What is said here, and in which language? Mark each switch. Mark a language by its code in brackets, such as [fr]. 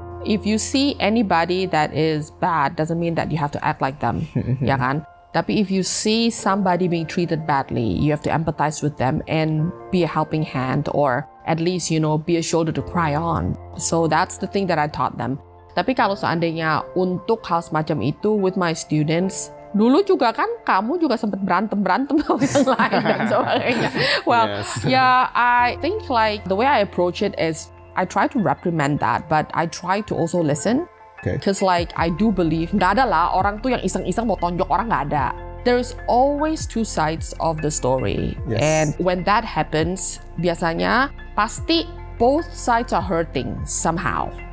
[en] If you see anybody that is bad, doesn't mean that you have to act like them, ya kan? Tapi if you see somebody being treated badly, you have to empathize with them and be a helping hand, or at least, you know, be a shoulder to cry on. So that's the thing that I taught them. [id] Tapi kalau seandainya untuk hal semacam itu with my students, dulu juga kan kamu juga sempat berantem-berantem sama yang lain dan sebagainya. [en] Well, yes. Yeah, I think like the way I approach it is I try to reprimand that, but I try to also listen. Okay. [id] Cause like I do believe nggak ada lah orang tuh yang iseng-iseng mau tonjok orang, nggak ada. [en] There is always two sides of the story, yes. And when that happens, biasanya pasti both sides are hurting somehow.